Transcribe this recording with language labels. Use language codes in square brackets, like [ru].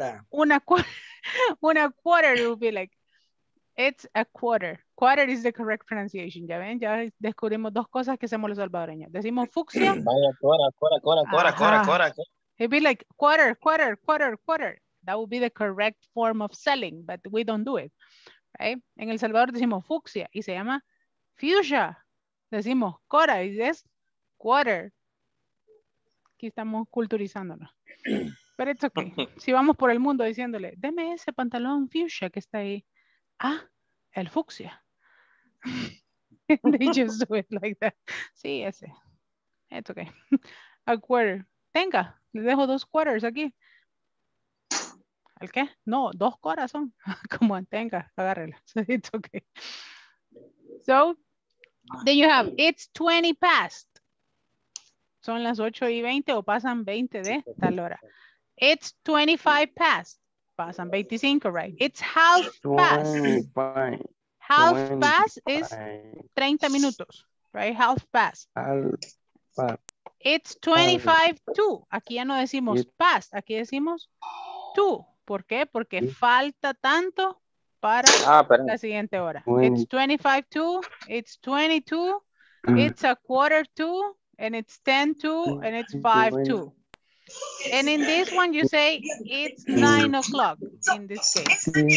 [en] Una quarter, it would be like, it's a quarter. Quarter is the correct pronunciation. [es] Ya ven, ya descubrimos dos cosas que hacemos los salvadoreños. Decimos fucsia. Vaya, cora. [en] It'd be like quarter. That would be the correct form of selling, but we don't do it. Right? [es] En El Salvador decimos fucsia y se llama fuchsia. Decimos cora y es quarter. Aquí estamos culturizándonos. Pero [en] it's okay. [es] Si vamos por el mundo diciéndole, deme ese pantalón fuchsia que está ahí. Ah, el fucsia. [en] They just do it like that. [es] Sí, ese. [en] It's okay. [es] A quarter. Tenga, le dejo 2 quarters aquí. ¿El qué? No, dos corazón. Como tenga, agárrela. [en] It's okay. So, then you have, it's 20 past. [es] Son las 8 y 20 o pasan 20 de tal hora. [en] It's 25 past. [es] Pasan 25, [en] right? It's half past. 25. Half 25. Past is 30 minutos, right? Half past. Half past. It's 25 to. [es] Aquí ya no decimos past, aquí decimos to. ¿Por qué? Porque falta tanto para la siguiente hora. 20. [en] It's 25 to, it's 22, it's a quarter to, and it's 10 to, and it's 5 to. And in this one, you say it's 9 o'clock in this case.